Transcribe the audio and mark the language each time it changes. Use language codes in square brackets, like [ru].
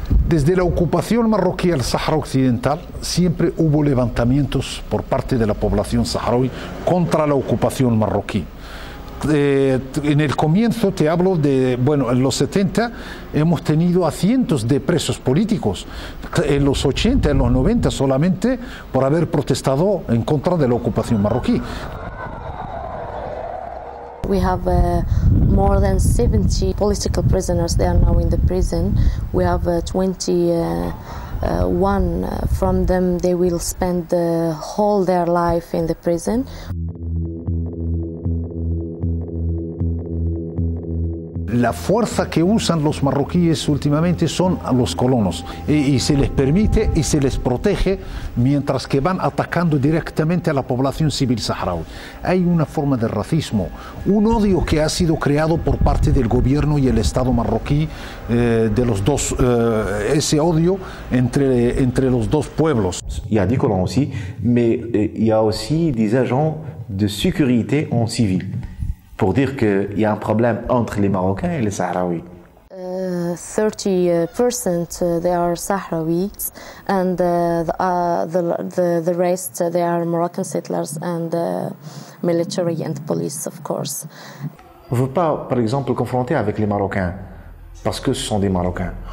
[es] Desde la ocupación marroquí al Sahara Occidental, siempre hubo levantamientos por parte de la población saharaui contra la ocupación marroquí. En el comienzo te hablo de, bueno, en los 70 hemos tenido a cientos de presos políticos, en los 80, en los 90 solamente por haber protestado en contra de la ocupación marroquí. [en] We have more than 70 political prisoners, they are now in the prison. We have 20 one from them, they will spend the whole their life in the prison. [es] La fuerza que usan los marroquíes últimamente son a los colonos y se les permite y se les protege mientras que van atacando directamente a la población civil saharaui. Hay una forma de racismo, un odio que ha sido creado por parte del gobierno y el Estado marroquí, de los dos, ese odio entre los dos pueblos. Y a dicho también, [fr] aussi, mais y a aussi des agents de sécurité en civil. Pour dire qu'il y a un problème entre les Marocains et les Sahraouis. [en] 30% they are Sahraouis and the rest they are Moroccan settlers and military and police of course. [fr] On ne veut pas par exemple confronter avec les Marocains parce que ce sont des Marocains.